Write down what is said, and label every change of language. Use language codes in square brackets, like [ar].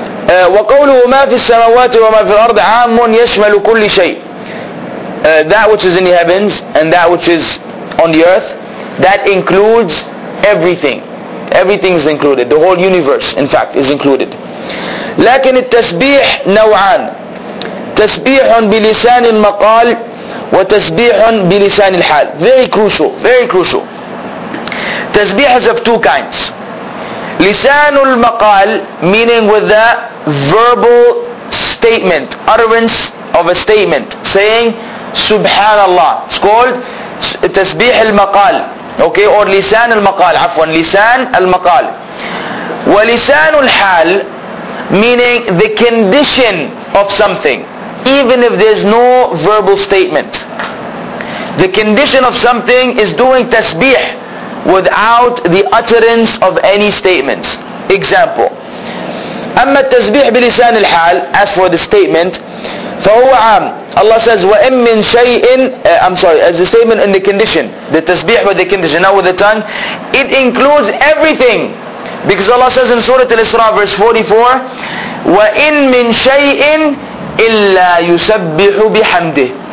[ar] وَقَوْلُهُ مَا فِي السَّمَوَاتِ وَمَا فِي الْأَرْضِ عَامٌ يَشْمَلُ كُلِّ شَيْءٍ. [en] That which is in the heavens and that which is on the earth, that includes everything. Everything is included. The whole universe, in fact, is included. [ar] لكن التسبيح نوعان, تسبيح بلسان المقال وتسبيح بلسان الحال. [en] Very crucial, very crucial. Tasbih is of two kinds. لسان المقال, meaning with the verbal statement, utterance of a statement, saying Subhanallah. It's called تسبيح المقال. [ar] Okay, or لسان المقال, عفوا, لسان المقال. [en] ولسان الحال, meaning the condition of something, even if there's no verbal statement. The condition of something is doing تسبيح without the utterance of any statements. Example, [ar] أما التسبيح بلسان الحال, [en] as for the statement, [ar] فهو عام. [en] Allah says [ar] وَإِن مِّن شَيْءٍ, [en] I'm sorry, as the statement in the condition, the tasbih with the condition, now with the tongue, it includes everything. Because Allah says in Surah Al-Isra verse 44, [ar] وَإِن مِّن شَيْءٍ إِلَّا يُسَبِّحُ بِحَمْدِهِ.